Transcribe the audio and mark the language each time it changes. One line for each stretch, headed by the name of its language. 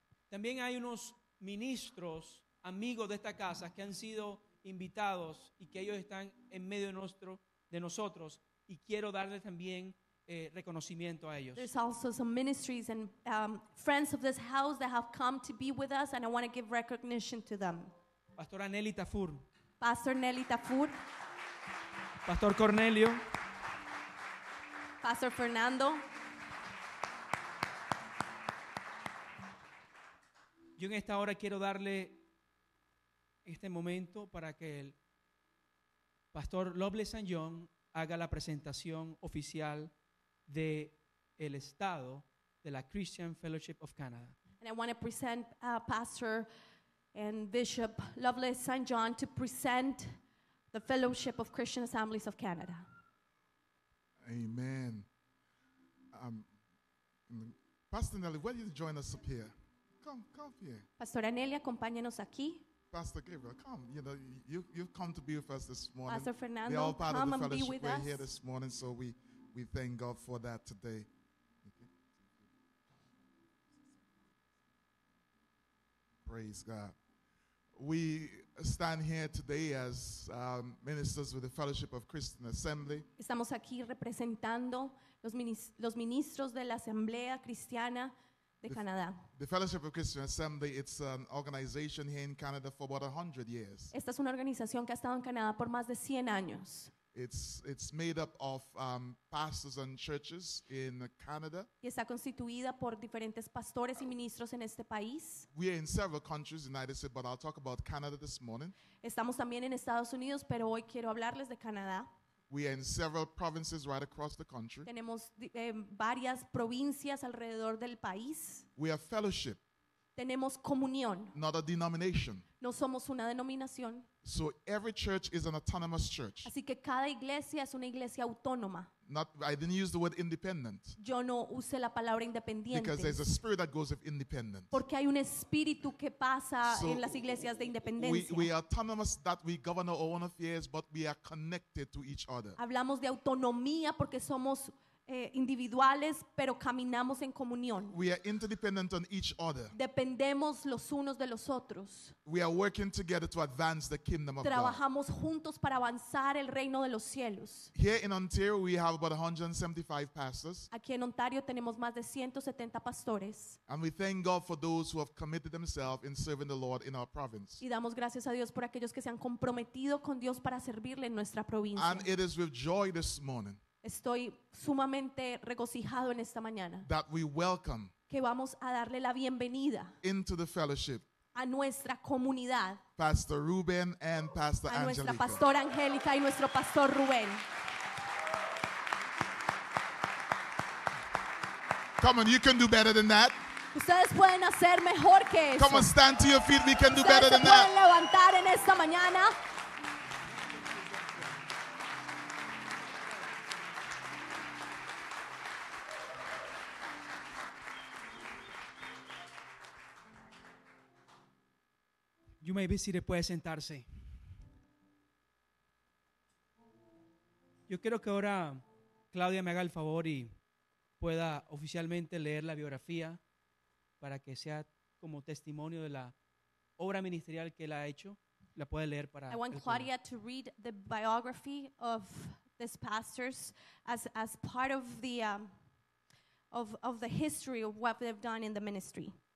Spanish: También hay unos ministros, amigos de esta casa, que han sido invitados y que ellos están en medio de nosotros, y quiero darles también reconocimiento a ellos.
English: There's also some ministries and friends of this house that have come to be with us, and I want to give recognition to them.
Spanish: Pastora Nelly Tafur.
English: Pastor Nelly Tafur. Pastor Cornelio. Pastor Fernando.
Spanish: Yo en esta hora quiero darle este momento para que el Pastor Lovely St. John haga la presentación oficial de el estado de la Christian Fellowship of Canada.
English: And I want to present Pastor and Bishop Lovely St. John to present the Fellowship of Christian Assemblies of Canada. Amen. Pastor Nelly, why don't you join us up here? Come here.
Spanish: Pastor Anelia, acompáñenos aquí.
English: Pastor Gabriel, come. You know, you've come to be with us this morning. Pastor Fernando, come and be with us. We're all part of the fellowship. We're here this morning, so we thank God for that today. Praise God. We stand here today as ministers with the Fellowship of Christian Assembly.
Spanish: Estamos aquí representando los ministros de la Asamblea Cristiana de Canadá.
English: The Fellowship of Christian Assembly, it's an organization here in Canada for about 100 years.
Spanish: Esta es una organización que ha estado en Canadá por más de 100 años.
English: It's made up of pastors and churches in Canada.
Spanish: Y está constituida por diferentes pastores y ministros en este país.
English: We are in several countries, United States, but I'll talk about Canada this morning.
Spanish: Estamos también en Estados Unidos, pero hoy quiero hablarles de Canadá.
English: We are in several provinces right across the country.
Spanish: Tenemos varias provincias alrededor del país.
English: We have fellowship.
Spanish: Tenemos comunión.
English: Not a denomination.
Spanish: No somos una denominación.
English: So every church is an autonomous church.
Spanish: Así que cada iglesia es una iglesia autónoma.
English: Not, I didn't use the word independent.
Spanish: Yo no usé la palabra independiente.
English: Because there's a spirit that goes with independent.
Spanish: Porque hay un espíritu que pasa en las iglesias de independencia.
English: We are autonomous that we govern our own affairs, but we are connected to each other.
Spanish: Hablamos de autonomía porque somos individuales, pero caminamos en comunión.
English: We are interdependent on each other.
Spanish: Dependemos los unos de los otros.
English: We are working together to advance the kingdom of
Spanish: Trabajamos
English: God.
Spanish: Juntos para avanzar el reino de los cielos.
English: Here in Ontario, we have about 175 pastors.
Spanish: Aquí en Ontario tenemos más de 170 pastores.
English: And we thank God for those who have committed themselves in serving the Lord in our province.
Spanish: Y damos gracias a Dios por aquellos que se han comprometido con Dios para servirle en nuestra provincia.
English: And it is with joy this morning.
Spanish: Estoy sumamente regocijado en esta mañana.
English: That we welcome
Spanish: que vamos a darle la bienvenida
English: into the fellowship
Spanish: a nuestra comunidad.
English: Pastor Ruben and Pastor Angelica.
Spanish: A nuestra pastora Angélica y nuestro pastor Rubén.
English: Come on, you can do better than that.
Spanish: Ustedes pueden hacer mejor que eso.
English: Come on, stand to your feet. We can do
Spanish: Ustedes
English: better than that.
Spanish: Se pueden levantar en esta mañana.
English: You may be seated,
Spanish: puede sentarse. Yo quiero que ahora Claudia me haga el favor y pueda oficialmente leer la biografía para que sea como testimonio de la obra ministerial que él ha hecho. La puede leer para
English: I want Claudia to read the biography of this pastors as part of the of the history of what they've done in the ministry.